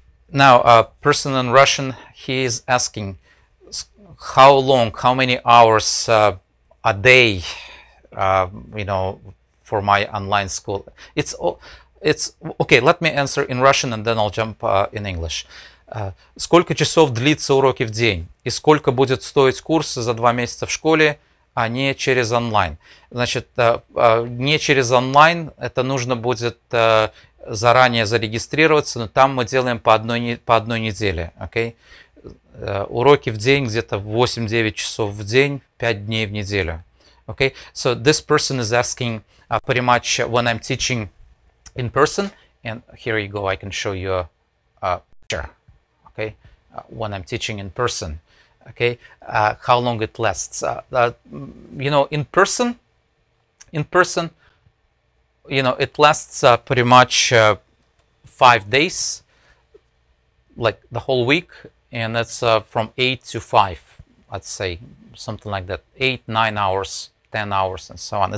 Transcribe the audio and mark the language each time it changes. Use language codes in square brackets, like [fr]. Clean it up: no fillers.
[en] Now a person in Russian, he is asking how long, how many hours a day, you know, for my online school. It's okay, let me answer in Russian and then I'll jump in English. [ru] Сколько часов длится уроки в день и сколько будет стоить курс за 2 месяца в школе, а не через онлайн? Значит, не через онлайн, это нужно будет заранее зарегистрироваться, но там мы делаем по одной неделе, окей? Уроки в день где-то 8-9 часов в день, 5 дней в неделю, окей? [en] So this person is asking pretty much when I'm teaching in person, and here you go, I can show you a picture, okay? When I'm teaching in person, okay? How long it lasts? You know, in person, you know, it lasts pretty much 5 days, like the whole week, and that's from 8 to 5, I'd say, something like that, 8, 9 hours, 10 hours, and so on.